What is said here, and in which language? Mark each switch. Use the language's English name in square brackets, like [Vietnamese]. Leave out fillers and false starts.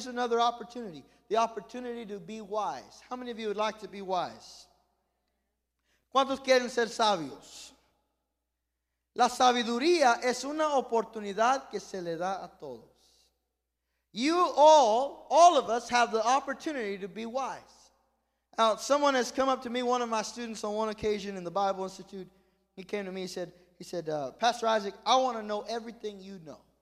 [English] Here's another opportunity, the opportunity to be wise. How many of you would like to be wise? [Spanish] ¿Cuántos quieren ser sabios? La sabiduría es una oportunidad que se le da a todos. [English] You all of us have the opportunity to be wise. Now, someone has come up to me, one of my students on one occasion in the Bible Institute. He came to me, he said, Pastor Isaac, I want to know everything you know.